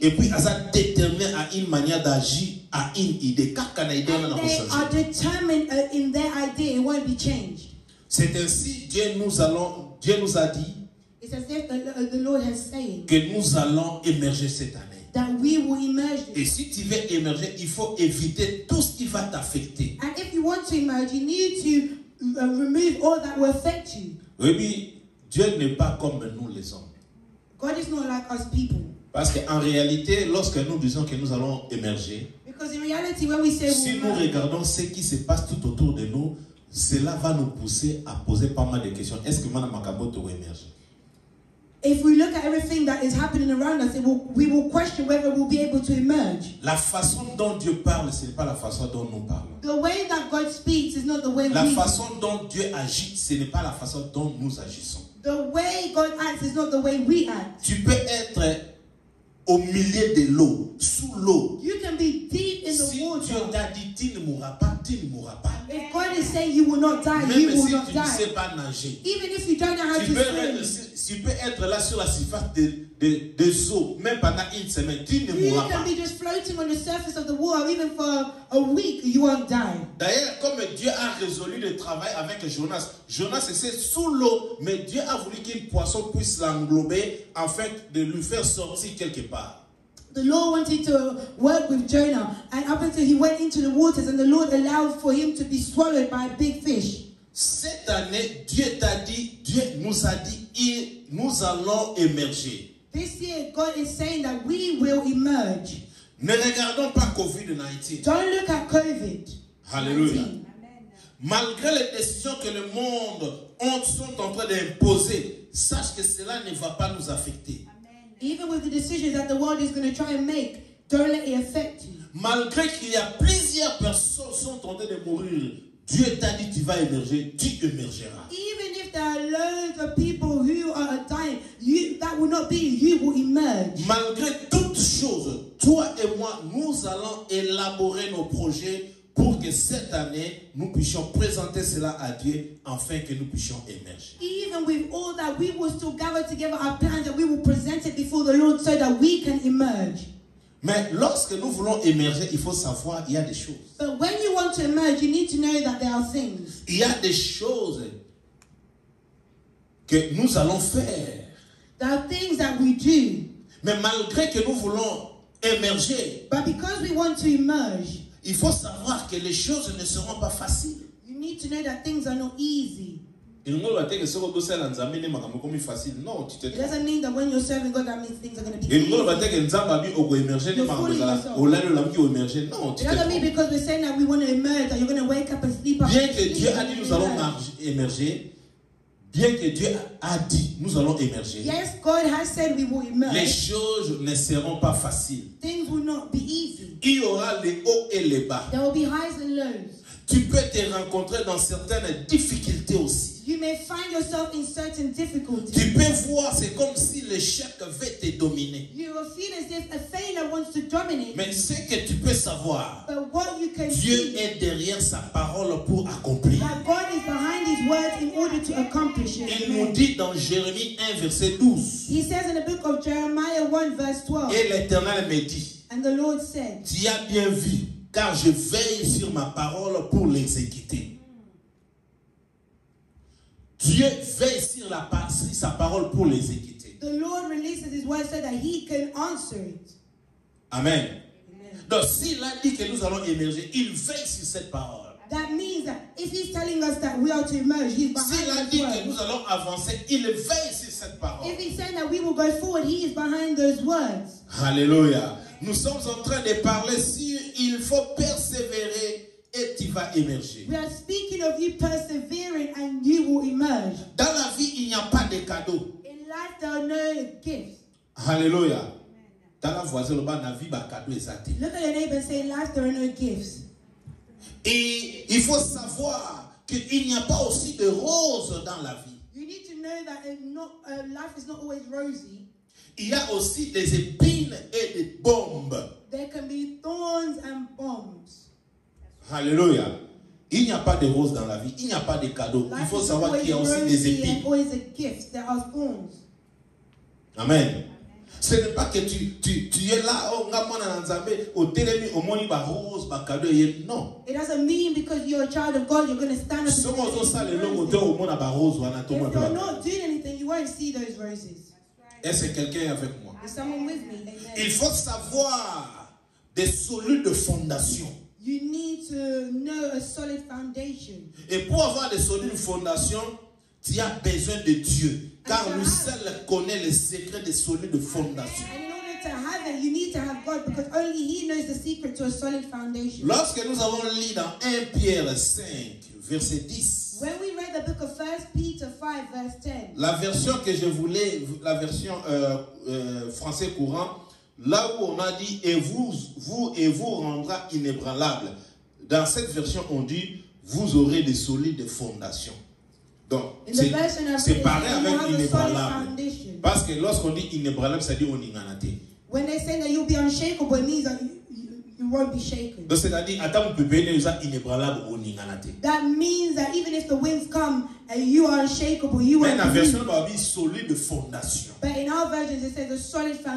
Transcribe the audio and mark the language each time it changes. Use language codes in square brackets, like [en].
[fr] Et puis, ils sont déterminés à une manière d'agir, à une idée. Quand une idée va changer. [en] They are determined in their idea, it won't be changed. [fr] C'est ainsi Dieu nous a dit. [en] It's as if the Lord has said [fr] que nous allons émerger cette année. [en] That we will emerge. [fr] Et si tu veux émerger, il faut éviter tout ce qui va t'affecter. [en] And if you want to emerge, you need to remove all that will affect you. [fr] Oui, mais Dieu n'est pas comme nous les hommes. [en] God is not like us people. [fr] Parce qu'en réalité, lorsque nous disons que nous allons émerger, [en] because in reality, when we say [fr] si nous regardons ce qui se passe tout autour de nous, cela va nous pousser à poser pas mal de questions. Est-ce que Mme Makaboto va émerger? [en] If we look at everything that is happening around us, we will question whether we'll be able to emerge. [fr] La façon dont Dieu parle, ce n'est pas la façon dont nous parlons. [en] The way that God speaks is not the way [fr] La façon dont Dieu agit, ce n'est pas la façon dont nous agissons. [en] The way God acts is not the way we act. [fr] Tu peux être au milieu de l'eau, sous l'eau. [en] You can be deep in the [fr] si [en] water. [fr] Dieu t'a dit, tu ne mourras pas, tu ne mourras pas. [en] If God is saying you will not die, [fr] Même [en] you will [fr] si [en] not die. [fr] Même si tu ne sais pas nager. [en] Even if you don't know how [fr] tu [en] to swim. [fr] Tu peux être là sur la surface de eaux, même pendant une semaine, tu ne mourras pas. [en] You can be just floating on the surface of the water, even for a week, you won't die. [fr] D'ailleurs, comme Dieu a résolu le travail avec Jonas, Jonas était sous l'eau, mais Dieu a voulu qu'un poisson puisse l'englober afin de lui faire sortir quelque part. [en] The Lord wanted to work with Jonah, and up until he went into the waters, and the Lord allowed for him to be swallowed by a big fish. [fr] Cette année, Dieu t'a dit, Dieu nous a dit, et nous allons émerger. [en] This year, God is saying that we will emerge. [fr] Ne regardons pas COVID-19. [en] Don't look at COVID. [fr] Alléluia. Malgré les décisions que le monde sont en train d'imposer, sache que cela ne va pas nous affecter. Amen. [en] Even with the decisions that the world is going to try and make, don't let it affect you. [fr] Malgré qu'il y a plusieurs personnes sont en train de mourir, Dieu t'a dit tu vas émerger, tu émergeras. [en] Even if there are loads of people who are dying, you, that will not be, you will emerge. [fr] Malgré toutes choses, toi et moi, nous allons élaborer nos projets pour que cette année, nous puissions présenter cela à Dieu afin que nous puissions émerger. [en] Even with all that, we will still gather together our plans and we will present it before the Lord so that we can emerge. [fr] Mais lorsque nous voulons émerger, il faut savoir il y a des choses. [en] But when you want to emerge, you need to know that there are things. [fr] Il y a des choses que nous allons faire. [en] There are things that we do. [fr] Mais malgré que nous voulons émerger, [en] but because we want to emerge, [fr] il faut savoir que les choses ne seront pas faciles. [en] You need to know that things are not easy. It doesn't mean that when you're serving God, that means things are going to be easy. You're fooling yourself. It doesn't mean because we're saying that we want to emerge, that you're going to wake up and sleep up. [fr] Bien que Dieu a dit nous allons émerger, bien que Dieu a dit nous allons émerger, [en] yes, God has said we will emerge. [fr] Les choses ne seront pas faciles. [en] Things will not be easy. [fr] Il y aura les hauts et les bas. [en] There will be highs and lows. [fr] Tu peux te rencontrer dans certaines difficultés aussi. [en] You may find yourself in certain difficulties. [fr] Tu peux voir, c'est comme si l'échec veut te dominer. [en] You will feel as if a failure wants to dominate. [fr] Mais ce que tu peux savoir, [en] but what you can [fr] Dieu [en] see, [fr] est derrière sa parole pour accomplir. [en] That God is behind his word in order to accomplish it. [fr] Il nous dit dans Jérémie 1, verset 12. [en] He says in the book of Jeremiah 1, verse 12. [fr] Et l'Éternel me dit, [en] and the Lord said, [fr] tu as bien vu. Car je veille sur ma parole pour l'exécuter. Dieu veille sur sa parole pour l'exécuter. [en] The Lord releases his word so that he can answer it. Amen. [fr] Donc s'il a dit que nous allons émerger, il veille sur cette parole. [en] That means that if he's telling us that we are to emerge, he's behind his word. [fr] S'il a dit que nous allons avancer, il veille sur cette parole. [en] If he's saying that we will go forward, he is behind those words. Hallelujah. [fr] Nous sommes en train de parler sur il faut persévérer et tu vas émerger. [en] We are speaking of you persevering and you will emerge. [fr] Dans la vie, il n'y a pas de cadeaux. [en] In life, there are no gifts. Hallelujah. Dans la voisin, le bas, la vie, bah, cadeau exacté. Look at your neighbor and say, in life, there are no gifts. [fr] Et il faut savoir qu'il n'y a pas aussi de roses dans la vie. [en] You need to know that life is not always rosy. [fr] Il y a aussi des épines et des bombes. [en] There can be thorns and bombs. Hallelujah. [fr] Il n'y a pas de roses dans la vie. Il n'y a pas de cadeaux. [en] Life [fr] il faut savoir qu'il y a aussi des épines. [en] There is a gift. There are thorns. Amen. [fr] Ce n'est pas que tu es là, oh, [ln] on a nzambe, au télémi, au moni, ba rose, ba cadeau, [fr] yé, non. [en] It doesn't mean because you're a child of God, you're going to stand up and see those roses. If you're not doing anything, you won't see those roses. [fr] Est-ce quelqu'un avec moi? [en] Is someone with me? [fr] Il faut savoir des solides fondations. [en] You need to know a solid foundation. [fr] Et pour avoir des solides fondations, tu as besoin de Dieu, car lui seul connaît les secrets des solides fondations. [en] And in order to have it, you need to have God, because only He knows the secret to a solid foundation. [fr] Lorsque nous avons lu dans 1 Pierre 5, verset 10. [en] When we read the book of 1 Peter 5, verse 10. [fr] La version que je voulais, la version français courant, là où on a dit « et vous rendra inébranlable », dans cette version on dit « vous aurez des solides fondations ». Donc, c'est pareil avec inébranlable. Parce que lorsqu'on dit inébranlable, ça dit « on y en a été ». [en] When they say that you'll be unshakable, it means that you won't be shaken. [fr] Donc c'est-à-dire, attends, vous pouvez venir, ça inébranlable ou ninganate. [en] That means that even if the winds come and you are unshakable, you won't be. [fr] Mais la version va dire solide fondation. [en] But in our version, it says a solid foundation.